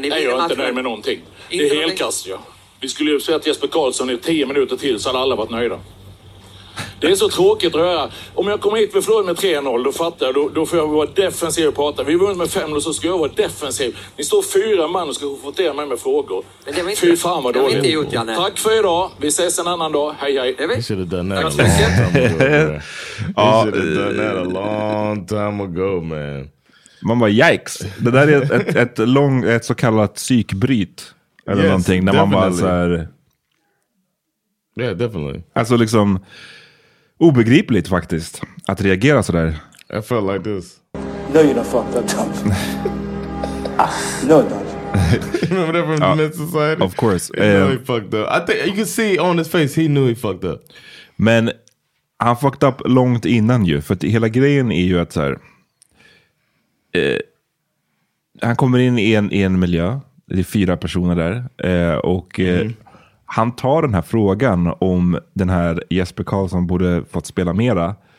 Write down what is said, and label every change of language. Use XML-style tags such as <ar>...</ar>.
<sv>Nej, jag är inte nöjd med någonting. Det är helkast, ja. Vi skulle ju säga att Jesper Karlsson är 10 minuter till så hade alla varit nöjda. Det är så tråkigt att höra. Om jag kommer hit med förlorar med 3-0, då fattar jag. Då får jag vara defensiv och prata. Vi vunnit med 5-0 så ska jag vara defensiv. Ni står 4 man och ska konfrontera mig med frågor. Fy fan vad dåligt. Tack för idag. Vi ses en annan dag. Hej, hej.</sv> <en>We should have done that a long time ago. We should have done that a long time ago, man.</en> <sv>Man bara, yikes. Det där är ett så kallat psykbryt. Eller någonting. När man bara så här...</sv> <en>Yeah, definitely.</en> <sv>Alltså liksom... Obegripligt faktiskt att reagera så där.</sv> <en>I felt like this. No, you're not fucked up. No, no. Remember that from the Men's Society? Of course. He knew he fucked up. I think you can see on his face he knew he fucked up.</en> <sv>Men han</sv> <en>fucked up</en> <sv>långt innan ju, för att hela grejen är ju att så här, han kommer in i en miljö, det är 4 personer där, och han tar den här frågan om den här Jesper Karlsson borde fått spela mera.</sv>